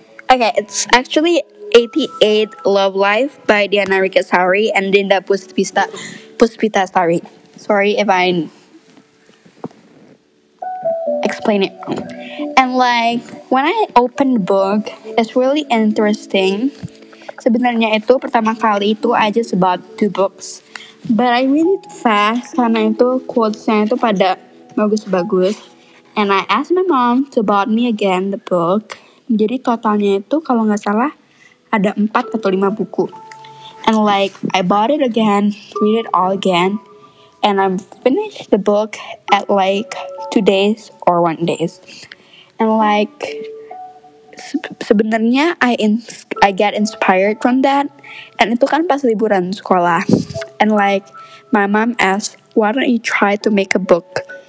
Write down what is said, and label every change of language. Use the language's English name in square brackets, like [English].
[English] Okay, it's actually 88 Love Life by Diana Rica Sari and Dinda Puspita Sari. Sorry if I explain it wrong. And like, when I opened the book, it's really interesting. [Indonesian] Sebenarnya itu pertama kali itu [English] I just bought 2 books. But I read it fast [Indonesian] karena itu quotes-nya itu pada bagus-bagus. [English] And I asked my mom to buy me again the book. [Indonesian] Jadi totalnya itu kalau nggak salah ada 4 atau 5 buku. [English] And like I bought it again, read it all again, and I finished the book at like 2 days or 1 day. And like sebenarnya I get inspired from that. And [Indonesian] itu kan pas liburan sekolah. [English] And like my mom asked, why don't you try to make a book?